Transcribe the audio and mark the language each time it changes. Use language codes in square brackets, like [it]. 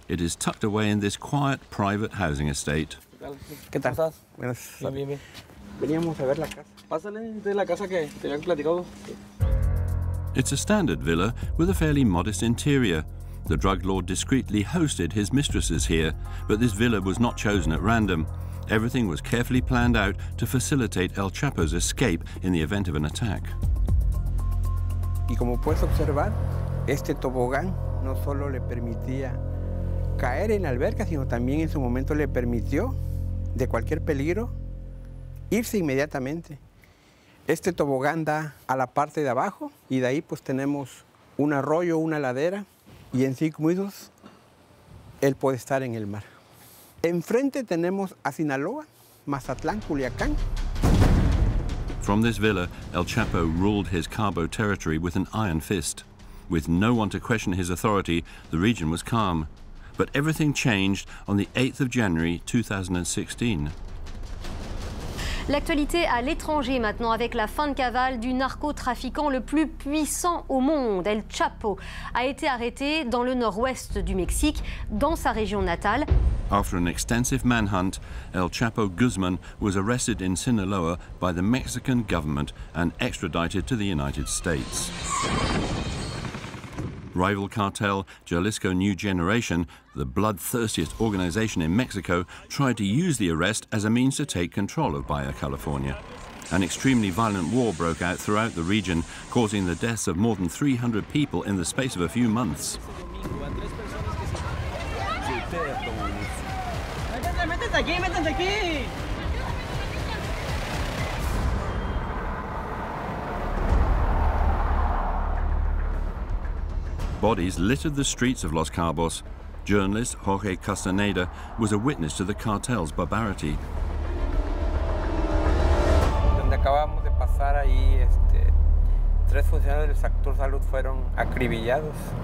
[en] It is tucked away in this quiet private housing estate. It's a standard villa with a fairly modest interior. The drug lord discreetly hosted his mistresses here, but this villa was not chosen at random. Everything was carefully planned out to facilitate El Chapo's escape in the event of an attack. [es] Y como puedes observar, este tobogán no solo le permitía caer en la alberca, sino también en su momento le permitió de cualquier peligro irse inmediatamente. Este tobogán da a la parte de abajo y de ahí pues tenemos un arroyo, una ladera y en 5 minutos él puede estar en el mar. Enfrente tenemos a Sinaloa, Mazatlán, Culiacán. [en] From this villa, El Chapo ruled his Cabo territory with an iron fist. With no one to question his authority, the region was calm. But everything changed on the 8th of January, 2016. [fr] L'actualité à l'étranger maintenant avec la fin de cavale du narcotrafiquant le plus puissant au monde, El Chapo, a été arrêté dans le nord-ouest du Mexique, dans sa région natale. [en] After an extensive manhunt, El Chapo Guzman was arrested in Sinaloa by the Mexican government and extradited to the United States. Rival cartel Jalisco New Generation, the bloodthirstiest organization in Mexico, tried to use the arrest as a means to take control of Baja California. An extremely violent war broke out throughout the region, causing the deaths of more than 300 people in the space of a few months. Bodies littered the streets of Los Cabos. Journalist Jorge Castaneda was a witness to the cartel's barbarity. [es] Donde acabamos de pasar ahí, tres funcionarios del sector salud fueron acribillados.